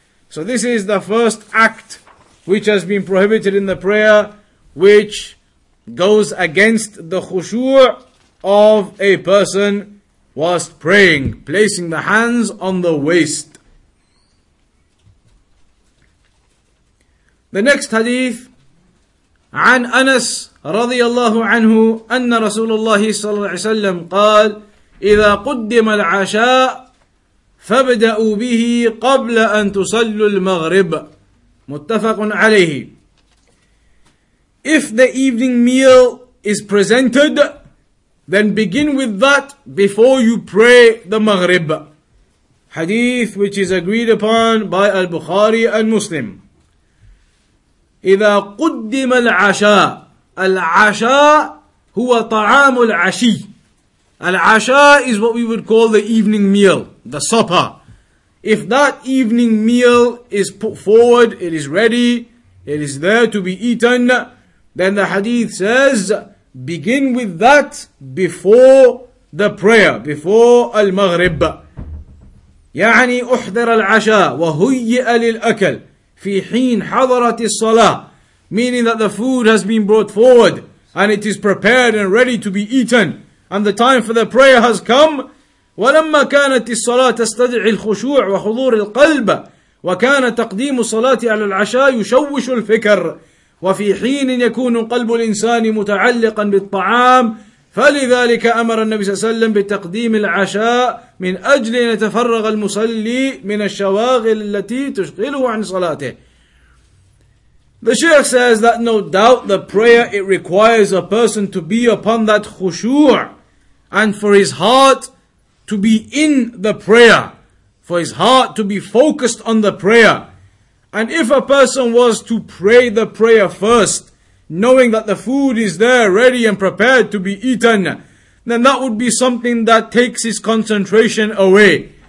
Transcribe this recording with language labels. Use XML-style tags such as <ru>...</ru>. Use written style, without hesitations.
<en>So this is the first act which has been prohibited in the prayer, which goes against the khushu' of a person whilst praying, placing the hands on the waist. The next hadith,</en> <ar>عن أنس رضي الله عنه أن رسول الله صلى الله عليه وسلم قال إذا قدم العشاء فابدأوا به قبل أن تصلوا المغرب. متفق عليه.</ar> <en>If the evening meal is presented, then begin with that before you pray the Maghrib. Hadith which is agreed upon by Al-Bukhari and Muslim.</en> <ar>إذا قدم العشاء, العشاء هو طعام العشي.</ar> <en>العشاء is what we would call the evening meal, the supper. If that evening meal is put forward, it is ready, it is there to be eaten, then the hadith says, begin with that before the prayer, before al-maghrib.</en> <ar>يعني أحضر العشاء وهيئ للأكل في حين حضرت الصلاة.</ar> <en>Meaning that the food has been brought forward and it is prepared and ready to be eaten, and the time for the prayer has come.</en> <ar>وَلَمَّا كَانَتِ الصَّلَاةِ تَسْتَدْعِي الْخُشُوعِ وَحُضُورِ الْقَلْبِ وَكَانَ تَقْدِيمُ الصَّلَاةِ عَلَى الْعَشَاءِ يُشَوِّشُ الْفِكَرِ. وفي حين يكون قلب الإنسان متعلقا بالطعام فلذلك أمر النبي صلى الله عليه وسلم بتقديم العشاء من أجل أن يتفرغ المصلي من الشواغل التي تشغله عن صلاته.</ar> <en>The Shaykh says that no doubt the prayer, it requires a person to be upon that khushu' and for his heart to be in the prayer, for his heart to be focused on the prayer. And if a person was to pray the prayer first, knowing that the food is there ready and prepared to be eaten, then that would be something that takes his concentration away.</en>